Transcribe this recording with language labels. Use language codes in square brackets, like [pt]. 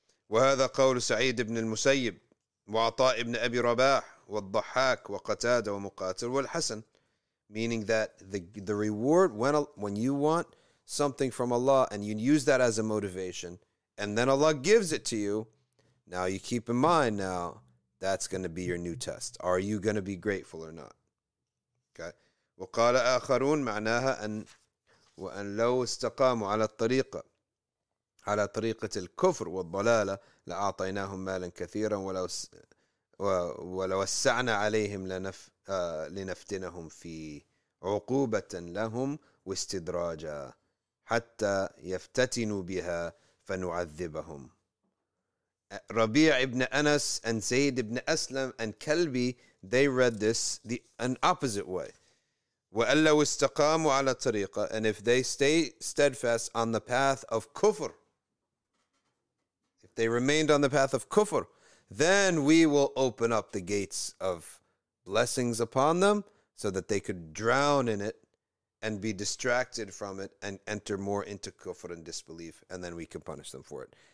[ar] وَهَذَا قَوْلُ سَعِيدِ بْنِ الْمُسَيِّبِ وَعَطَاءِ بْنِ أَبِي رَبَاحِ وَالضَّحَاكِ وَقَتَادَ وَمُقَاتِلِ وَالْحَسَنِ. [en] Meaning that the reward, when you want something from Allah and you use that as a motivation, and then Allah gives it to you, now you keep in mind now, that's going to be your new test. Are you going to be grateful or not? Okay. [ar] وقال آخرون معناها أن وأن لو استقاموا على الطريقة على طريقة الكفر والضلالة لأعطيناهم مالا كثيرا ولو وسعنا عليهم لنفتنهم في عقوبة لهم واستدراجا حتى يفتتنوا بها فنعذبهم. [en] Rabi' ibn Anas and Zayd ibn Aslam and Kalbi, they read this an opposite way. [ar] وَأَلَّا وَاسْتَقَامُوا عَلَى الطَّرِيقَ, [en] and if they stay steadfast on the path of kufr, if they remained on the path of kufr, then we will open up the gates of blessings upon them so that they could drown in it and be distracted from it and enter more into kufr and disbelief, and then we can punish them for it.